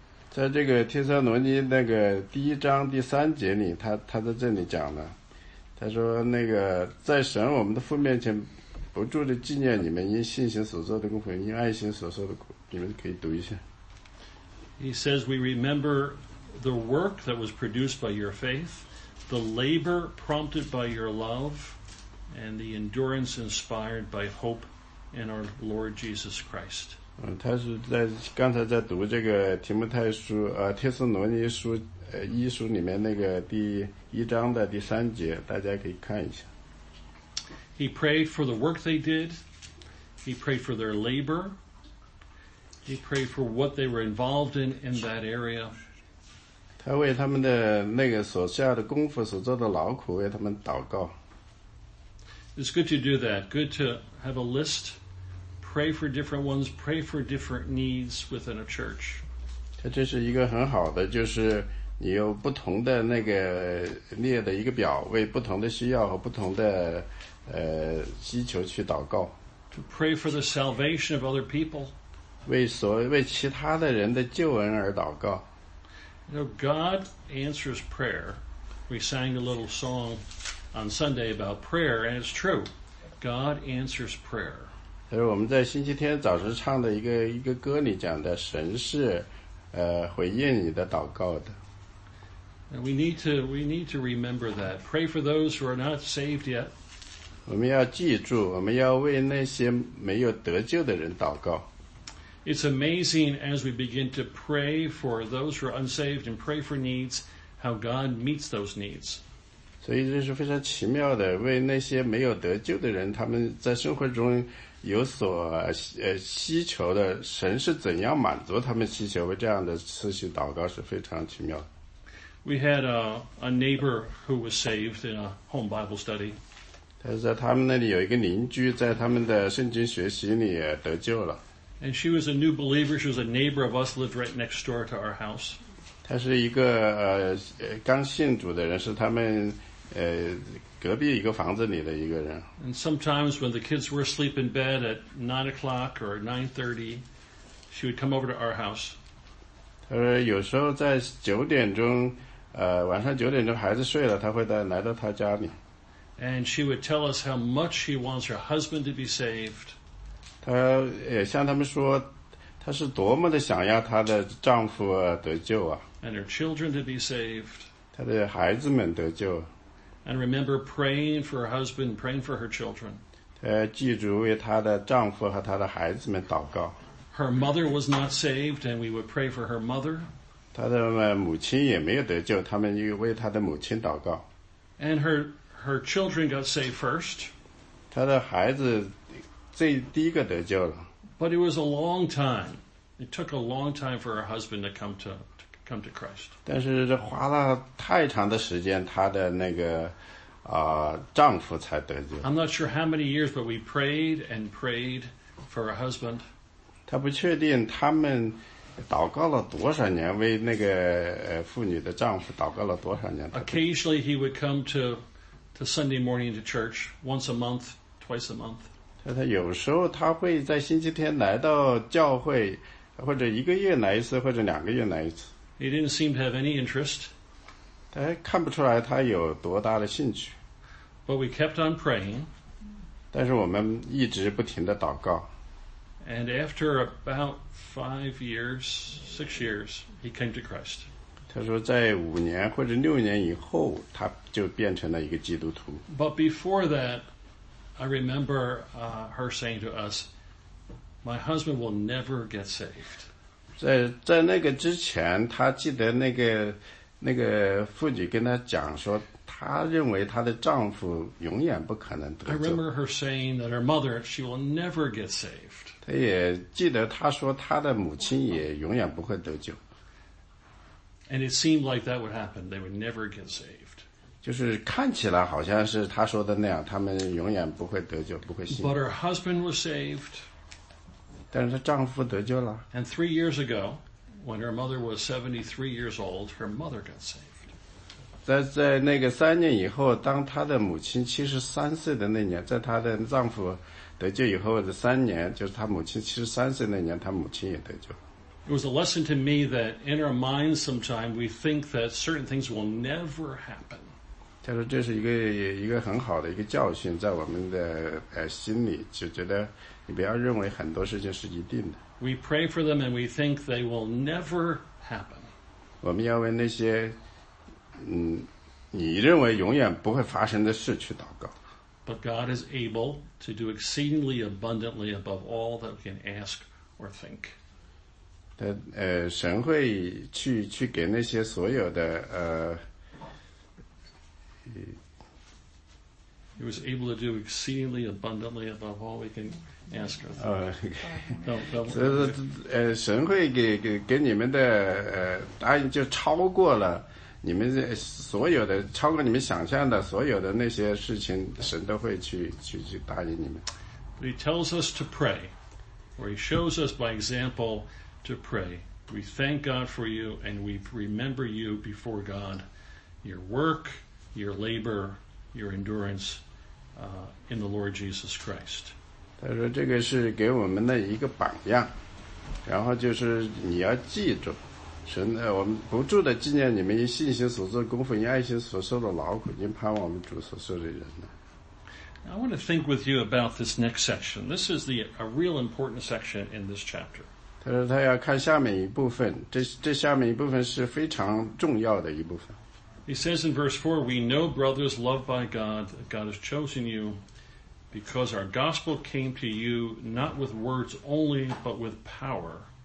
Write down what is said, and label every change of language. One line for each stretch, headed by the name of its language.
Chinese: 在这个帖撒罗尼那个第一章第三节里，他在这里讲了，他说那个在神我们的父面前，不住的纪念你们因信心所做的功夫，因爱心所受的苦，你们可以读一下。
English: He says we remember the work that was produced by your faith, the labor prompted by your love, and the endurance inspired by hope in our Lord Jesus Christ.
Chinese: 他是在刚才在读这个提摩太书帖撒罗尼书一书里面那个第一章的第三节，大家可以看一下。
English: He prayed for the work they did. He prayed for their labor. He prayed for what they were involved in that area.
Chinese: 他为他们的那个所下的功夫所做的劳苦为他们祷告。
English: It's good to do that. Good to have a list. Pray for different ones. Pray for different needs within a church.
Chinese: 他这是一个很好的，就是你有不同的那个列的一个表，为不同的需要和不同的需求去祷告。
English: To pray for the salvation of other people.
Chinese: 为其他的人的救恩而祷告。
English: You know, God answers prayer. We sang a little song on Sunday about prayer, and it's true. God answers prayer.
Chinese: 他说我们在星期天早上唱的一个歌里讲的，神是回应你的祷告的。
English: And we need to remember that. Pray for those who are not saved yet.
Chinese: 我们要记住，我们要为那些没有得救的人祷告。
English: It's amazing as we begin to pray for those who are unsaved and pray for needs, how God meets those needs.
Chinese: 所以这是非常奇妙的，为那些没有得救的人，他们在生活中有所需求的，神是怎样满足他们需求，为这样的事情祷告是非常奇妙的。
English: We had a neighbor who was saved in a home Bible study.
Chinese: 他在他们那里有一个邻居，在他们的圣经学习里也得救了。
English: And she was a new believer. She was a neighbor of us, lived right next door to our house.
Chinese: 他是一个刚信主的人，是他们隔壁一个房子里的一个人。
English: And sometimes when the kids were asleep in bed at 9 o'clock or 9:30, she would come over to our house.
Chinese: 他说有时候在九点钟，晚上九点钟孩子睡了，他会来到他家里。
English: And she would tell us how much she wants her husband to be saved.
Chinese: 他也向他们说，他是多么的想要他的丈夫得救啊。
English: And her children to be saved.
Chinese: 他的孩子们得救。
English: And remember praying for her husband, praying for her children.
Chinese: 他记住为他的丈夫和他的孩子们祷告。
English: Her mother was not saved, and we would pray for her mother.
Chinese: 她的母亲也没有得救，他们又为她的母亲祷告。
English: And her children got saved first.
Chinese: 她的孩子最第一个得救了。
English: But it was a long time. It took a long time for her husband to come to Christ.
Chinese: 但是这花了太长的时间，她的那个丈夫才得救。
English: I'm not sure how many years, but we prayed and prayed for her husband.
Chinese: 他不确定他们祷告了多少年，为那个妇女的丈夫祷告了多少年。
English: Occasionally he would come to Sunday morning to church once a month, twice a month.
Chinese: 他有时候他会在星期天来到教会，或者一个月来一次，或者两个月来一次。
English: He didn't seem to have any interest.
Chinese: 他看不出来他有多大的兴趣。
English: But we kept on praying.
Chinese: 但是我们一直不停地祷告。
English: And after about 5 years, 6 years, he came to Christ.
Chinese: 他说在五年或者六年以后，他就变成了一个基督徒。
English: But before that, I remember her saying to us, my husband will never get saved.
Chinese: 在那个之前，他记得那个妇女跟他讲说，他认为他的丈夫永远不可能得救。
English: I remember her saying that her mother, she will never get saved.
Chinese: 他也记得他说他的母亲也永远不会得救。
English: And it seemed like that would happen. They would never get saved.
Chinese: 就是看起来好像是他说的那样，他们永远不会得救，不会信。
English: But her husband was saved.
Chinese: 但是她丈夫得救了。
English: And 3 years ago, when her mother was 73 years old, her mother got saved.
Chinese: 在那个三年以后，当她的母亲73岁的那年，在她的丈夫得救以后的三年，就是他母亲73岁那年，他母亲也得救。
English: It was a lesson to me that in our minds, sometimes we think that certain things will never happen.
Chinese: 他说这是一个很好的一个教训，在我们的心里就觉得你不要认为很多事情是一定的。
English: We pray for them and we think they will never happen.
Chinese: 我们要为那些你认为永远不会发生的事去祷告。
English: But God is able to do exceedingly abundantly above all that we can ask or think.
Chinese: 神会去给那些所有的
English: He was able to do exceedingly abundantly above all we can ask or think.
Chinese: 神会给你们的答应就超过了你们所有的超过你们想象的所有的那些事情神都会去答应你们。
English: But he tells us to pray, or he shows us by example to pray. We thank God for you and we remember you before God, your work, your labor, your endurance, in the Lord Jesus Christ.
Chinese: 他说这个是给我们的一个榜样，然后就是你要记住。神，我们不住的纪念你们因信心所做的功夫，因爱心所受的劳苦，因盼望我们主所受的人呢。
English: I want to think with you about this next section. This is a real important section in this chapter.
Chinese: 他说他要看下面一部分，这下面一部分是非常重要的一部分。
English: He says in verse 4, "We know, brothers, loved by God, that God has chosen you, because our gospel came to you not with words only, but with power."